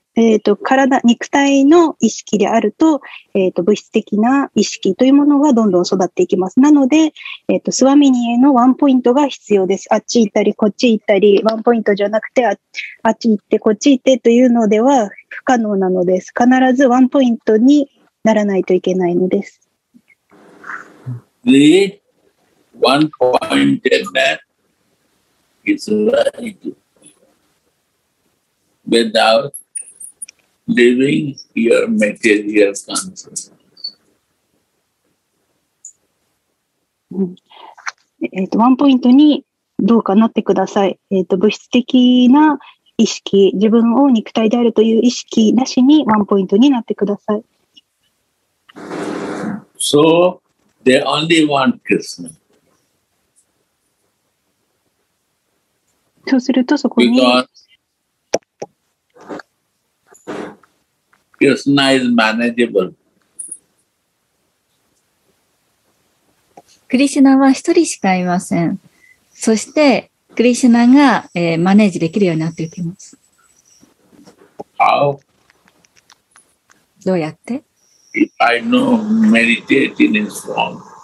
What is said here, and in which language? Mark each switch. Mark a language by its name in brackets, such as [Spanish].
[Japanese] 体、肉体の意識であると、物質的な意識というものがどんどん育っていきます。なので、スワミニへのワンポイントが必要です。あっち行ったり、こっち行ったり、ワンポイントじゃなくて、あっち行って、こっち行ってというのでは不可能なのです。必ずワンポイントにならないといけないのです。 [English] The one-pointedness is right without living your material consciousness. [Japanese] ワンポイントにどうかなってください。物質的な意識、自分を肉体であるという意識なしにワンポイントになってください。 [English] So,The only one Krishna. [Japanese] そうするとそこに [English] Because Krishna is manageable. [Japanese] クリシュナは一人しかいません。そしてクリシュナが、マネージできるようになっていきます。 [English] How? [Japanese] どうやって [English] If I know meditating is wrong.